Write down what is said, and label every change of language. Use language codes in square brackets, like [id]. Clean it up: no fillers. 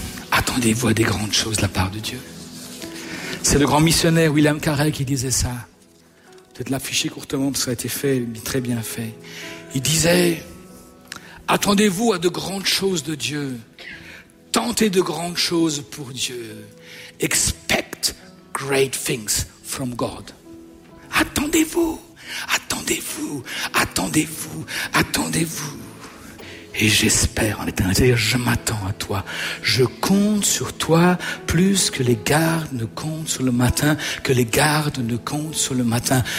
[fr] Attendez-vous à des grandes choses de la part de Dieu. C'est le grand missionnaire William Carey qui disait ça. Peut-être l'afficher courtement parce que ça a été fait, mais très bien fait. Il disait, attendez-vous à de grandes choses de Dieu. Tentez de grandes choses pour Dieu. [en] Expect great things from God. [fr] Attendez-vous, attendez-vous, attendez-vous, attendez-vous. Et j'espère en éternité, je m'attends à toi. Je compte sur toi plus que les gardes ne comptent sur le matin, que les gardes ne comptent sur le matin.